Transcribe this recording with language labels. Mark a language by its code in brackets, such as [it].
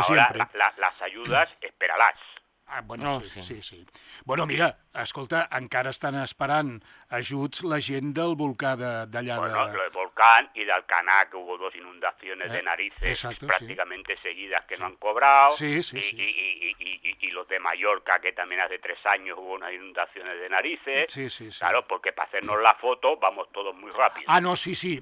[es] ahora, las ayudas, esperalas. Ah, bueno, sí. [ca] Bueno, mira, escolta, encara estan esperant ajuts la gent del volcà d'allà de... [es] Bueno, el volcán y del Canà, que hubo dos inundaciones de narices prácticamente seguidas que no han cobrado. Sí, y los de Mallorca, que también hace 3 años hubo unas inundaciones de narices. Sí. Claro, porque para hacernos la foto vamos todos muy rápido. Ah, no, sí.